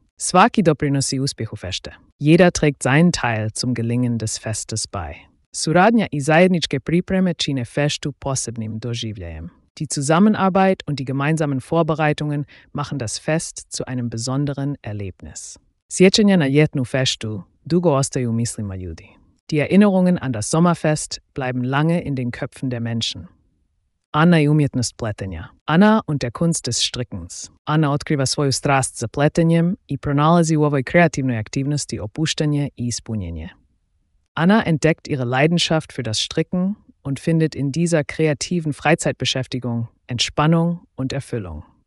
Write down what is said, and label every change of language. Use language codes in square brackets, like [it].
[hr] Svaki doprinosi uspjehu fešte. [de] Jeder trägt seinen Teil zum Gelingen des Festes bei. [hr] Suradnja i zajedničke pripreme čine feštu posebnim doživljajem. [de] Die Zusammenarbeit und die gemeinsamen Vorbereitungen machen das Fest zu einem besonderen Erlebnis. [hr] Sjećanja na ljetnu feštu dugo ostaju u mislima ljudi. [de] Die Erinnerungen an das Sommerfest bleiben lange in den Köpfen der Menschen. [hr] Anna i umjetnost pletenja. [de] Anna und der Kunst des Strickens. [hr] Anna otkriva svoju strast za pletenjem i pronalazi u ovoj kreativnoj aktivnosti opuštanje i ispunjenje. [de] Anna entdeckt ihre Leidenschaft für das Stricken und findet in dieser kreativen Freizeitbeschäftigung Entspannung und Erfüllung.